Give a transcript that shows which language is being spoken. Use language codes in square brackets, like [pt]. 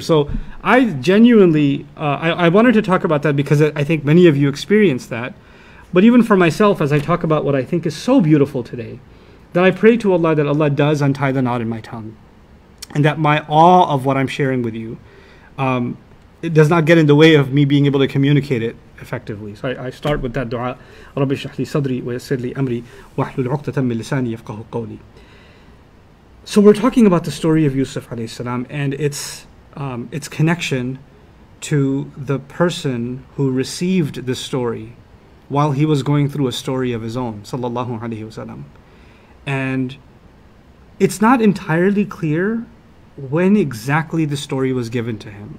[en] So I genuinely, I wanted to talk about that because I think many of you experience that. But even for myself, as I talk about what I think is so beautiful today, that I pray to Allah that Allah does untie the knot in my tongue, and that my awe of what I'm sharing with you, it does not get in the way of me being able to communicate it effectively. So I start with that dua, [ar] رَبِّ اشْرَحْ لِي صَدْرِي وَيَسِّرْ لِي أَمْرِي وَاحْلُلْ عُقْدَةً مِّن لِّسَانِي يَفْقَهُ قَوْلِي. [en] So we're talking about the story of Yusuf alayhi salam and its connection to the person who received the story while he was going through a story of his own, sallallahu alayhi wasallam. And it's not entirely clear when exactly the story was given to him.